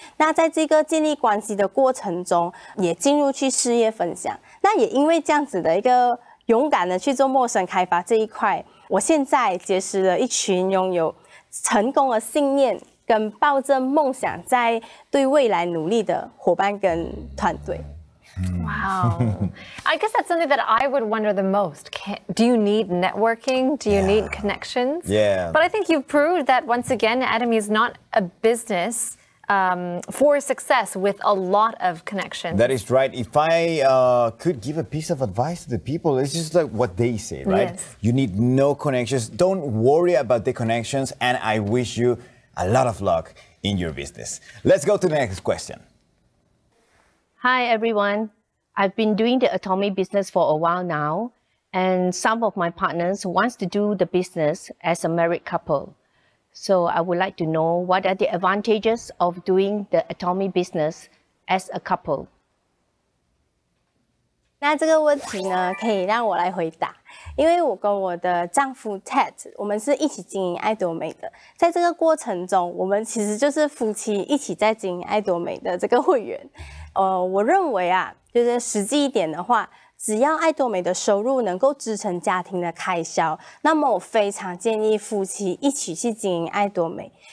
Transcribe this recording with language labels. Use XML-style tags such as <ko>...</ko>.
<zh>那在这个建立关系的过程中，也进入去事业分享。那也因为这样子的一个勇敢的去做陌生开发这一块，我现在结识了一群拥有成功的信念跟抱着梦想在对未来努力的伙伴跟团队。</zh> <en>Wow, I guess that's something that I would wonder the most. Do you need networking? Do you need connections? Yeah. But I think you've proved that once again, Atomy is not a business. For success with a lot of connections. That is right. If I could give a piece of advice to the people, it's just like what they say, right? Yes. You need no connections. Don't worry about the connections. And I wish you a lot of luck in your business. Let's go to the next question. Hi, everyone. I've been doing the Atomy business for a while now. And some of my partners wants to do the business as a married couple. So I would like to know what are the advantages of doing the Atomy business as a couple?</en> <zh>那这个问题呢，可以让我来回答，因为我跟我的丈夫 Ted， 我们是一起经营爱多美的。在这个过程中，我们其实就是夫妻一起在经营爱多美的这个会员。我认为啊，就是实际一点的话，只要爱多美的收入能够支撑家庭的开销，那么我非常建议夫妻一起去经营爱多美。</zh>